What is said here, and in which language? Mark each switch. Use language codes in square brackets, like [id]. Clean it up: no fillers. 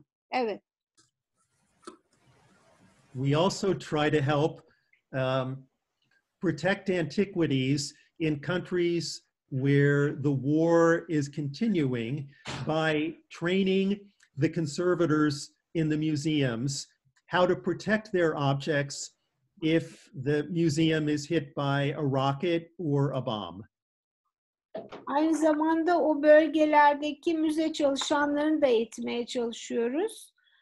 [tr] Evet. [en] We also try to help protect antiquities in countries where the war is continuing by training the conservators in the museums how to protect their objects if the museum is hit by a rocket or a bomb. [tr] Aynı zamanda o bölgelerdeki müze çalışanlarını da eğitmeye çalışıyoruz.